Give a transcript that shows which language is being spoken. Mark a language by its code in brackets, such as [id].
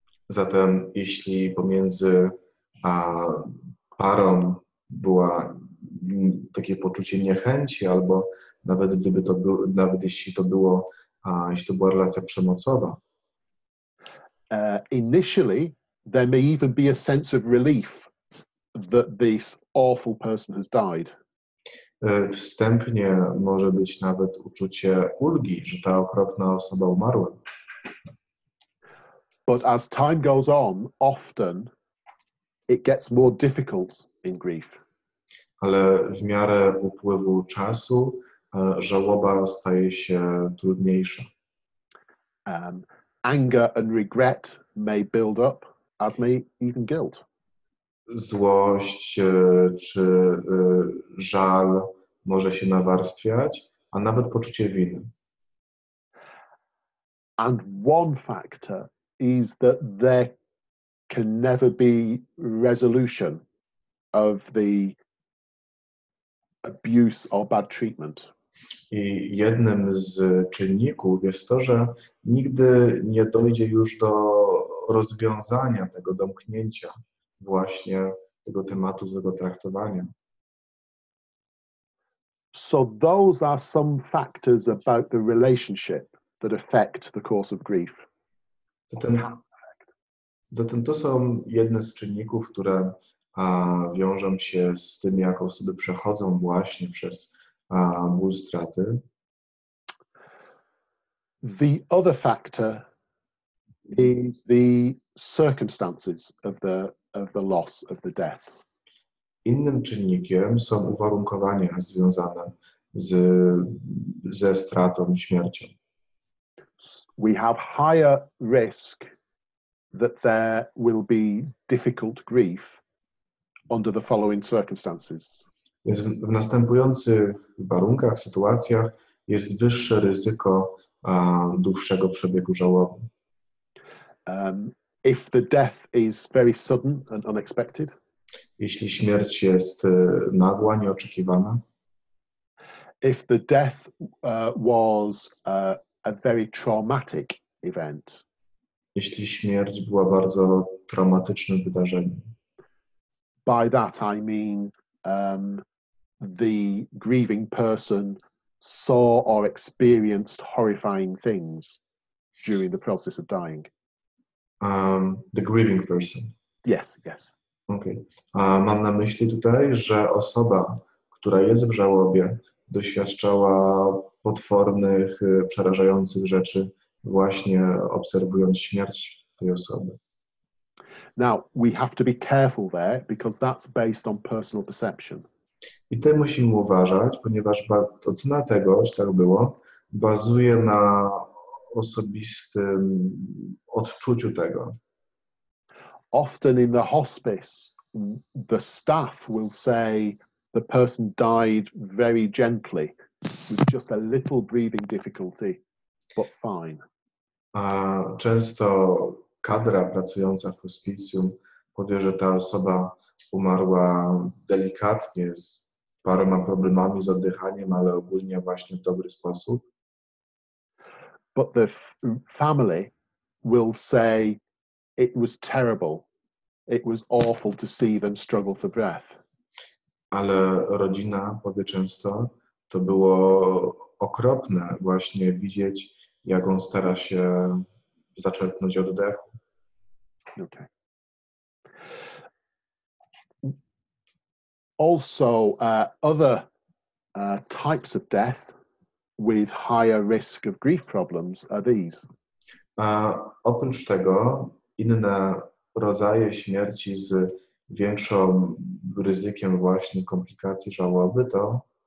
[pl] Zatem jeśli pomiędzy parą była takie poczucie niechęci, albo nawet gdyby to był, nawet jeśli to było, jeśli to była relacja przemocowa. [en] Initially, there may even be a sense of relief that this awful person has died. [pl] Wstępnie może być nawet uczucie ulgi, że ta okropna osoba umarła. [en] But as time goes on, often it gets more difficult in grief. [pl] Ale w miarę upływu czasu żałoba staje się trudniejsza. [en] Anger and regret may build up, as may even guilt. [pl] Złość czy żal może się nawarstwiać, a nawet poczucie winy. [en] And one factor is that there can never be resolution of the abuse or bad treatment. [pl] I jednym z czynników jest to, że nigdy nie dojdzie już do rozwiązania tego domknięcia właśnie tego tematu z tego traktowania. [en] So those are some factors about the relationship that affect the course of grief. [pl] Zatem to są jedne z czynników, które wiążą się z tym, jak osoby przechodzą właśnie przez ból straty. [en] The other factor is the circumstances of the loss, of the death. [pl] Innym czynnikiem są uwarunkowania związane ze stratą, śmiercią. [en] We have higher risk that there will be difficult grief under the following circumstances. [pl] Więc w następujących warunkach, sytuacjach jest wyższe ryzyko dłuższego przebiegu żałoby. [en] If the death is very sudden and unexpected. [pl] Jeśli śmierć jest nagła, nieoczekiwana. [en] If the death was a very traumatic event. [pl] Jeśli śmierć była bardzo traumatycznym wydarzeniem. [en] By that I mean the grieving person saw or experienced horrifying things during the process of dying. The grieving person. Yes. Okay. [pl] Mam na myśli tutaj, że osoba, która jest w żałobie, doświadczała potwornych, przerażających rzeczy, właśnie obserwując śmierć tej osoby. [en] Now, we have to be careful there, because that's based on personal perception. [pl] I tutaj musimy uważać, ponieważ ocena tego, że tak było, bazuje na osobistym odczuciu tego. [en] Often in the hospice, the staff will say the person died very gently, with just a little breathing difficulty, but fine. [pl] Często kadra pracująca w hospicjum powie, że ta osoba umarła delikatnie, z paroma problemami z oddychaniem, ale ogólnie właśnie w dobry sposób. [en] But the family will say it was terrible. It was awful to see them struggle for breath. [pl] Ale rodzina powie często, to było okropne właśnie widzieć, jak on stara się zaczerpnąć oddechu. [en] Okay. Also, other types of death with higher risk of grief problems are these. [pl] Oprócz tego, inne rodzaje śmierci z większą ryzykiem właśnie komplikacji żałoby to.